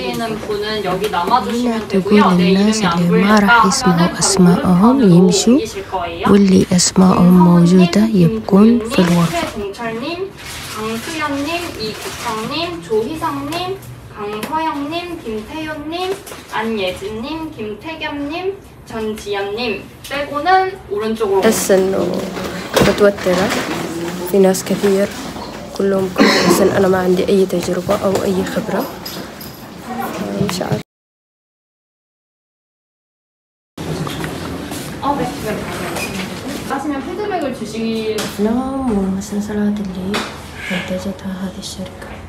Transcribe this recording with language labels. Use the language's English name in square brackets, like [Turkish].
[Arabic] ما راح يسمعوا أسماءهم يمشوا واللي أسماءهم موجودة يبقون في الغرفة. [Korean] 강수연님, 이국성님, 조희성님, 강서영님, 김태윤님, 안예진님, 김태겸님, 전지연님 빼고는 오른쪽으로. 했어. [Arabic] متوترة. في ناس كثير. كلهم بس أنا ما عندي أي تجربة أو أي خبرة. مش عارف. نوم ومسلسلات الليل منتجتها هذه الشركة.